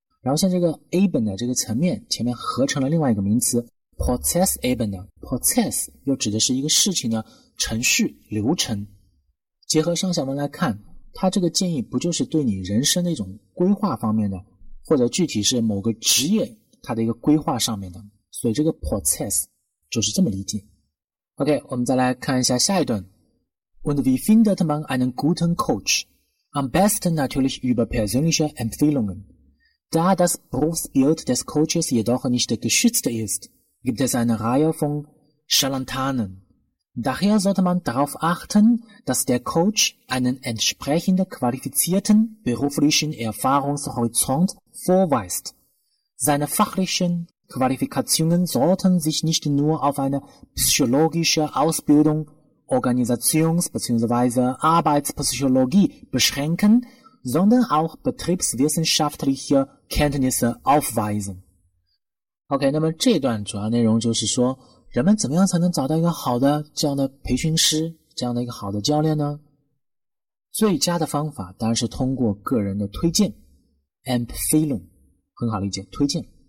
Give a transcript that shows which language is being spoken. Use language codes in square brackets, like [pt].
[zh] 然后像这个 Ebene 这个层面前面合成了另外一个名词 Prozess Ebene， Prozess 又指的是一个事情的程序流程。结合上下文来看，他这个建议不就是对你人生的一种规划方面的，或者具体是某个职业他的一个规划上面的，所以这个 process 就是这么理解。 OK， 我们再来看一下下一段。 [de] Und wie findet man einen guten Coach? Am besten natürlich über persönliche Empfehlungen. Da das Berufsbild des Coaches jedoch nicht geschützt ist, gibt es eine Reihe von Scharlatanen. Daher sollte man darauf achten, dass der Coach einen entsprechend qualifizierten beruflichen Erfahrungshorizont vorweist. Seine fachlichen Qualifikationen sollten sich nicht nur auf eine psychologische Ausbildung, Organisations- bzw. Arbeitspsychologie beschränken, sondern auch betriebswissenschaftliche Kenntnisse aufweisen. [zh] Okay, 那么这段主要内容就是说人们怎么样才能找到一个好的这样的培训师，这样的一个好的教练呢？最佳的方法当然是通过个人的推荐 ，empfehlung， 很好理解，推荐。